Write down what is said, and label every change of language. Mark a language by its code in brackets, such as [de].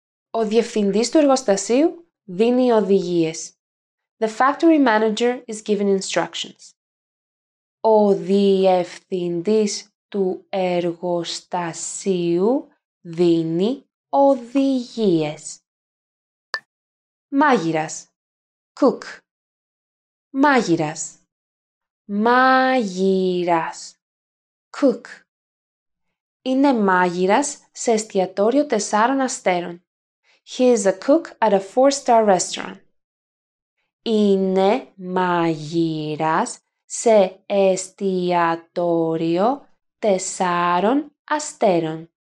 [el] Ο διευθυντής του εργοστασίου δίνει οδηγίες. [en] The factory manager is given instructions. [el] Ο διευθυντής του εργοστασίου δίνει οδηγίες. Μάγειρας. [en] Cook. [el] Μάγειρας. Μάγειρας. [en] Cook. [el] Είναι μάγειρας σε εστιατόριο 4 αστέρων. [en] He is a cook at a 4-star restaurant. [el] Είναι μάγειρας σε εστιατόριο 4 αστέρων.